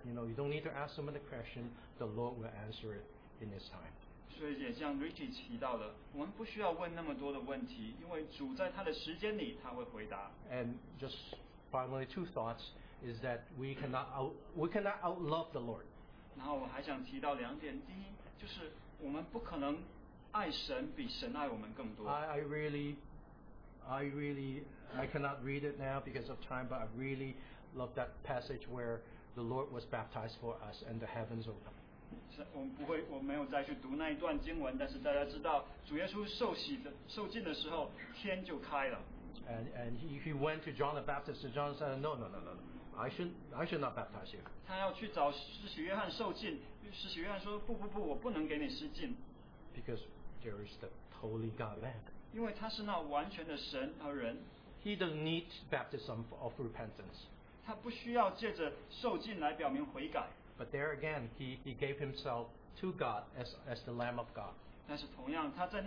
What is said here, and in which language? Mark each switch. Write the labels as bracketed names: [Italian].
[English] You know, you don't need to ask him the question. The Lord will answer it in His time. [Chinese] 所以也像 Ricky 提到的，我们不需要问那么多的问题，因为主在他的时间里他会回答。 [English] And just finally, two thoughts is that we cannot outlove the Lord. [Chinese] 然后我还想提到两点，第一就是我们不可能。 [English] I cannot read it now because of time, but I really love that passage where the Lord was baptized for us and the heavens opened. And he went to John the Baptist, and John said, No. I should not baptize you. [Chinese] 他要去找施洗约翰受浸，施洗约翰说，不，我不能给你施浸。 [English] Because there is the holy God man. [Chinese] 因为他是那完全的神和人, [English] he doesn't need baptism of repentance. [Chinese] 他不需要借着受浸来表明悔改, [English] but there again, he gave himself to God as the Lamb of God.